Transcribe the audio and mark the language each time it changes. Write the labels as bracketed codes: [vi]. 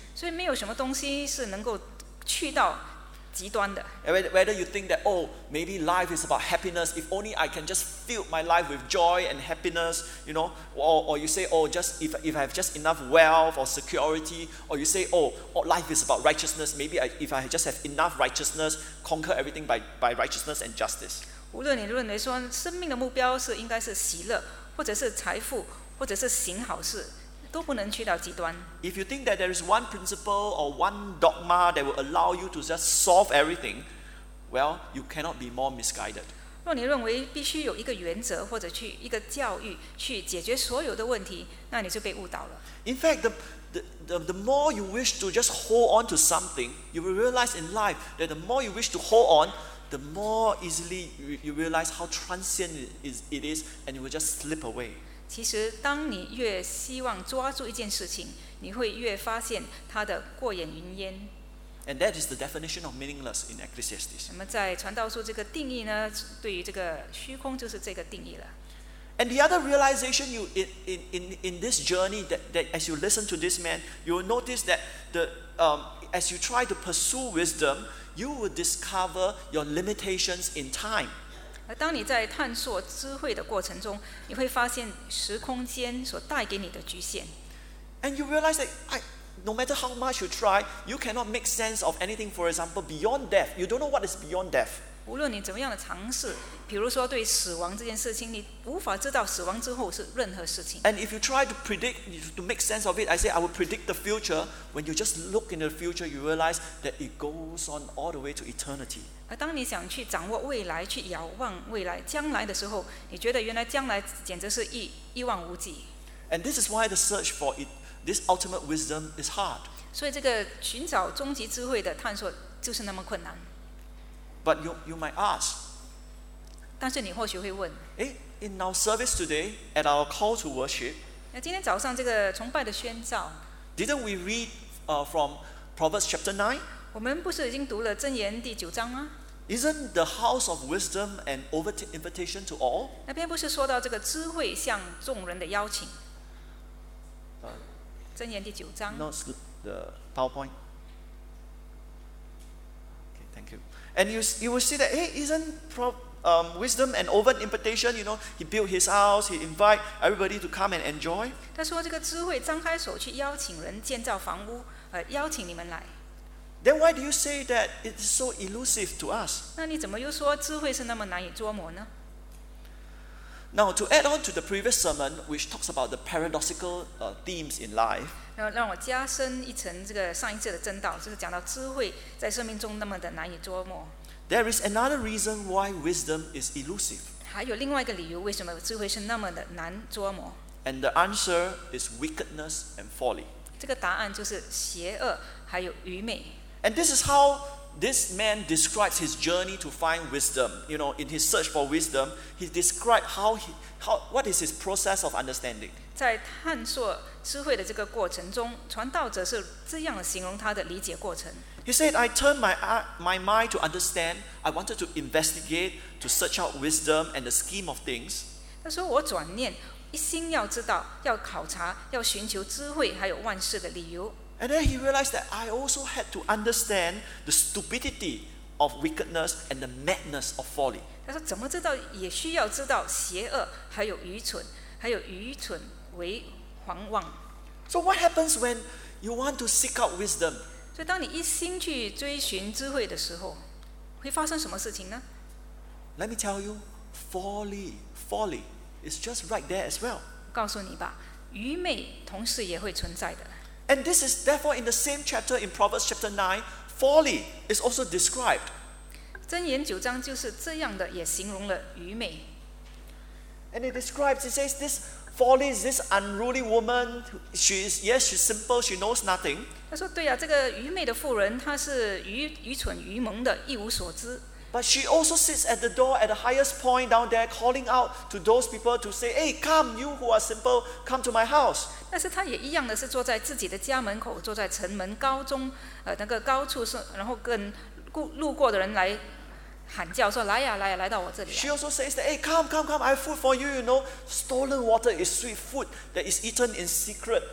[zh] 所以没有什么东西是能够去到。 [en] Whether you think that, oh, maybe life is about happiness, if only I can just fill my life with joy and happiness, you know, or you say, oh, just if I have just enough wealth or security, or you say, oh, life is about righteousness, maybe if I just have enough righteousness, conquer everything by righteousness and justice. [zh] 无论你认为说生命的目标是应该是喜乐，或者是财富，或者是行好事。都不能去到极端。 [en] If you think that there is one principle or one dogma that will allow you to just solve everything, well, you cannot be more misguided. [zh] 若你认为必须有一个原则或者去一个教育去解决所有的问题，那你就被误导了。 [en] In fact, the more you wish to just hold on to something, you will realize in life that the more you wish to hold on, the more easily you realize how transient it is, and you will just slip away. [zh] 其实当你越希望抓住一件事情，你会越发现它的过眼云烟。 [en] And that is the definition of meaningless in Ecclesiastes. [zh] 那么在传道书这个定义呢，对于这个虚空就是这个定义了。 [en] And the other realization you in this journey that as you listen to this man, you will notice that as you try to pursue wisdom, you will discover your limitations in time. [zh] 而当你在探索智慧的过程中，你会发现时空间所带给你的局限。 [en] And you realize that no matter how much you try, you cannot make sense of anything. For example, beyond death, you don't know what is beyond death. [zh] 无论你怎么样的尝试，比如说对死亡这件事情，你无法知道死亡之后是任何事情。 [en] And if you try to predict, to make sense of it, I say I will predict the future. When you just look in the future, you realize that it goes on all the way to eternity. [zh] 而当你想去掌握未来，去遥望未来、将来的时候，你觉得原来将来简直是一望无际。 [en] And this is why the search for it. This ultimate wisdom is hard. [zh] 所以这个寻找终极智慧的探索就是那么困难。 [en] But you might ask. [zh] 但是你或许会问。 [en] In our service today, at our call to worship. [zh] 今天早上这个崇拜的宣召。 [en] Didn't we read from Proverbs chapter 9? [zh] 我们不是已经读了箴言第九章吗？ [en] Isn't the house of wisdom an invitation to all? [zh] 那边不是说到这个智慧向众人的邀请？箴言第九章。 [en] No, the PowerPoint. Okay, thank you. And you will see that, isn't wisdom an open invitation? You know, he built his house, he invite everybody to come and enjoy. [zh] 他说这个智慧张开手去邀请人建造房屋，邀请你们来。 [en] Then why do you say that it's so elusive to us? [zh] 那你怎么又说智慧是那么难以捉摸呢？ [en] Now, to add on to the previous sermon, which talks about the paradoxical themes in life, [zh] 让我加深一层这个上一次的正道，就是讲到智慧在生命中那么的难以捉摸。 [en] There is another reason why wisdom is elusive. [zh] 还有另外一个理由，为什么智慧是那么的难捉摸。 [en] And the answer is wickedness and folly. [zh] 这个答案就是邪恶还有愚昧。 [en] And this is how... This man describes his journey to find wisdom. You know, in his search for wisdom, he described what is his process of understanding. [zh] 在探索智慧的这个过程中，传道者是这样形容他的理解过程。 [en] He said, "I turned my mind to understand. I wanted to investigate to search out wisdom and the scheme of things." [zh] 他说我转念，一心要知道，要考察，要寻求智慧，还有万事的理由。 [en] And then he realized that I also had to understand the stupidity of wickedness and the madness of folly. [zh] 他说怎么知道也需要知道邪恶还有愚蠢，还有愚蠢为狂妄。 [en] So what happens when you want to seek out wisdom? [zh] 所以当你一心去追寻智慧的时候，会发生什么事情呢？ [en] Let me tell you, folly is just right there as well. [zh] 告诉你吧，愚昧同时也会存在的。 [en] And this is therefore in the same chapter in Proverbs chapter 9, folly is also described. [zh] 箴言九章就是这样的，也形容了愚昧。 [en] And it describes, it says, this folly is this unruly woman. She's simple, she knows nothing. [zh] 他说对啊，这个愚昧的妇人，她是愚蠢愚蒙的，一无所知。 [en] But she also sits at the door at the highest point down there, calling out to those people to say, "Hey, come, you who are simple, come to my house." [zh] 但是她也一样的是坐在自己的家门口，坐在城门高中，那个高处是，然后跟路过的人来喊叫说：“来呀，来呀，来到我这里。” [en] She also says that, "Hey, come, come, come! I have food for you. You know, stolen water is sweet food that is eaten in secret.